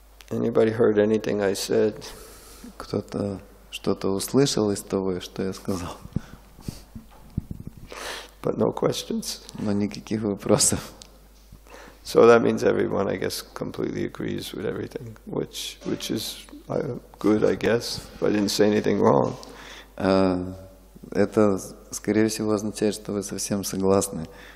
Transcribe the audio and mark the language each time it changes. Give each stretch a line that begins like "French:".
English: Anybody heard anything I said?
Russian: Кто-то что-то услышал из того, что я сказал?
English: But no questions.
Russian: Но никаких вопросов.
English: So that means everyone, I guess, completely agrees with everything, which is good, I guess. If I didn't say anything wrong.
Russian: Это, скорее всего, означает, что вы совсем согласны.